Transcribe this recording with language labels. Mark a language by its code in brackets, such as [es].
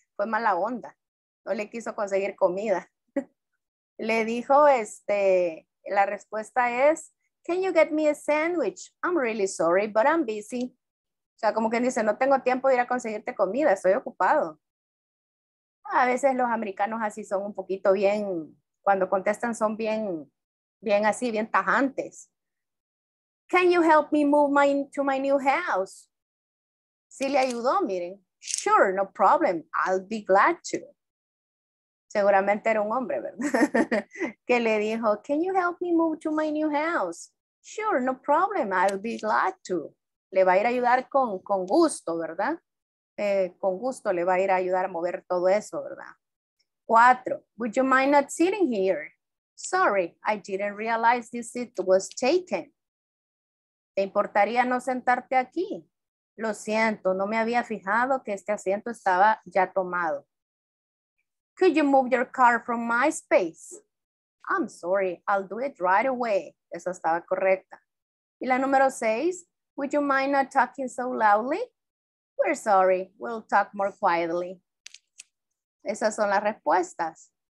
[es] Fue mala onda. No le quiso conseguir comida. Le dijo, la respuesta es, [en] can you get me a sandwich? I'm really sorry, but I'm busy. [es] O sea, como quien dice, no tengo tiempo de ir a conseguirte comida, estoy ocupado. A veces los americanos así son un poquito bien, cuando contestan son bien así, bien tajantes. [en] Can you help me move to my new house? [es] Sí le ayudó, miren. [en] Sure, no problem. I'll be glad to. [es] Seguramente era un hombre, ¿verdad? Que le dijo, [en] can you help me move to my new house? Sure, no problem. I'll be glad to. [es] Le va a ir a ayudar con gusto, ¿verdad? Con gusto le va a ir a ayudar a mover todo eso, ¿verdad? [en] Cuatro, would you mind not sitting here? Sorry, I didn't realize this seat was taken. [es] ¿Te importaría no sentarte aquí? Lo siento, no me había fijado que este asiento estaba ya tomado. [en] Could you move your car from my space? I'm sorry, I'll do it right away. [es] Eso estaba correcta. Y la número seis, [en] would you mind not talking so loudly? We're sorry, we'll talk more quietly. [es] Esas son las respuestas.